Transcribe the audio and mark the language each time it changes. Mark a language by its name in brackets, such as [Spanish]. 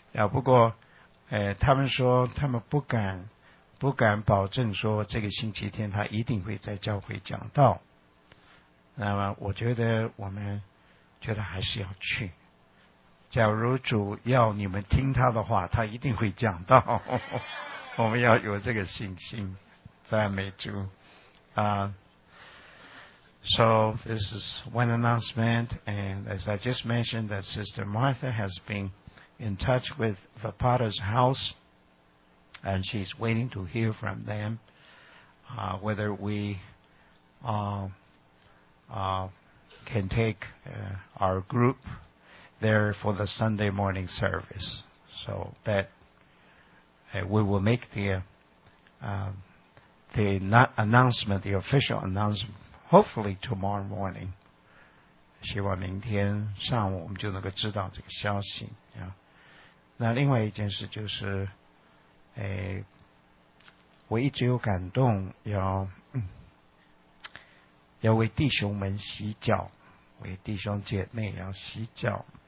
[Chinese] 不过，他们说他们不敢保证说这个星期天他一定会在教会讲道。那么我觉得我们觉得还是要去。假如主要你们听他的话，他一定会讲到。我们要有这个信心，赞美主。 [English] So this is one announcement, and as I just mentioned, that Sister Martha has been in touch with the Potter's House, and she's waiting to hear from them whether we can take our group. There for the Sunday morning service, so that we will make the not announcement, the official announcement, hopefully tomorrow morning. [Chinese] 希望明天上午我们就能够知道这个消息。那另外一件事就是，我一直有感动要为弟兄们洗脚，为弟兄姐妹要洗脚。